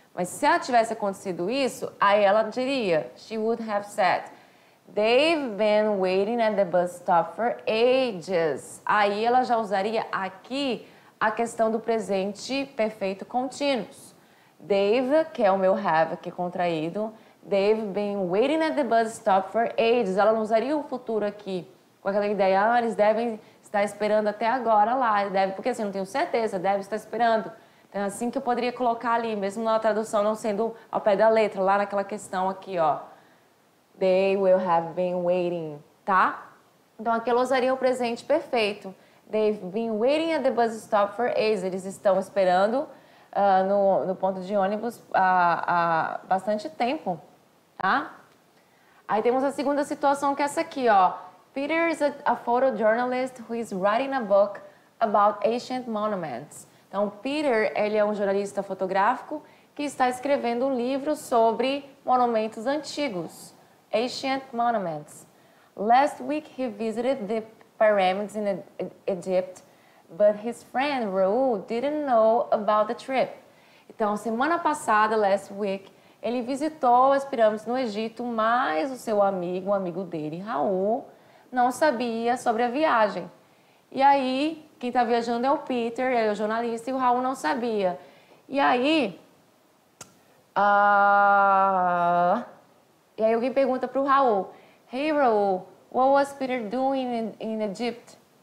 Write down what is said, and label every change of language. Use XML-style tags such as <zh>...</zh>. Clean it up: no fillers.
<pt>Mas se ela tivesse acontecido isso, aí ela diria,</pt> <en>she would have said, they've been waiting at the bus stop for ages.</en> <pt>Aí ela já usaria aqui a questão do presente perfeito contínuo. They've, que é o meu have aqui contraído,</pt> <en>They've been waiting at the bus stop for ages.</en> <pt>Ela não usaria o futuro aqui com aquela ideia. Ah, eles devem estar esperando até agora lá. Deve, porque assim, não tenho certeza, deve estar esperando. Então, assim que eu poderia colocar ali, mesmo na tradução não sendo ao pé da letra, lá naquela questão aqui, ó.</pt> <en>They will have been waiting,</en> <pt>tá? Então, aqui eu usaria o presente perfeito.</pt> <en>They've been waiting at the bus stop for ages.</en> <pt>Eles estão esperando no ponto de ônibus há bastante tempo, tá? Aí temos a segunda situação, que é essa aqui, ó.</pt> <en>Peter is a photojournalist who is writing a book about ancient monuments.</en> <pt>Então, Peter, ele é um jornalista fotográfico que está escrevendo um livro sobre monumentos antigos.</pt> <en>Ancient monuments. Last week, he visited the pyramids in Egypt, but his friend, Raul, didn't know about the trip.</en> <pt>Então, semana passada,</pt> <en>last week,</en> <pt>ele visitou as pirâmides no Egito, mas o seu amigo, um amigo dele, Raul, não sabia sobre a viagem. E aí, quem está viajando é o Peter, ele é o jornalista, e o Raul não sabia. E aí, alguém pergunta para o Raul,</pt> <en>hey, Raul, what was Peter doing in Egypt?</en>